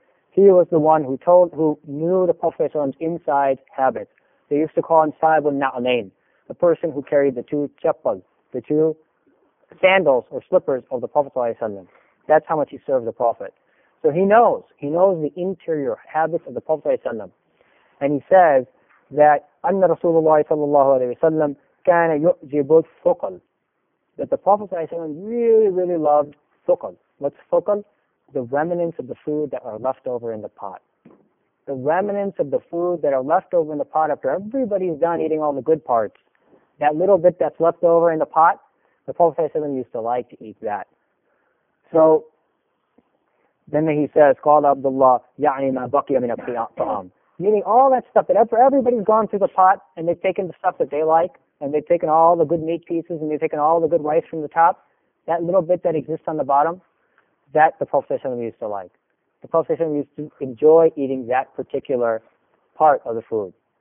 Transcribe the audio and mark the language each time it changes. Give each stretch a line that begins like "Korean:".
English: He was the one who knew the Prophet ﷺ's inside habits. They used to call him Sahib al-Na'lain, the person who carried the two chappals. The two sandals or slippers of the Prophet ﷺ. That's how much he served the Prophet. So he knows. He knows the interior habits of the Prophet ﷺ. And he says that
Arabic: أن رسول الله صلى الله عليه وسلم كان يؤجب الثقل.
English: That the Prophet ﷺ really, really loved thukal. What's thukal? The remnants of the food that are left over in the pot. The remnants of the food that are left over in the pot after everybody's done eating all the good parts. That little bit that's left over in the pot, the Prophet ﷺ used to like to eat that. So, then he says,
Arabic: قال عبد الله يعني ما بقي من الطعام
English: meaning all that stuff that after everybody's gone through the pot and they've taken the stuff that they like, and they've taken all the good meat pieces, and they've taken all the good rice from the top, that little bit that exists on the bottom, that the Prophet used to like. The Prophet used to enjoy eating that particular part of the food.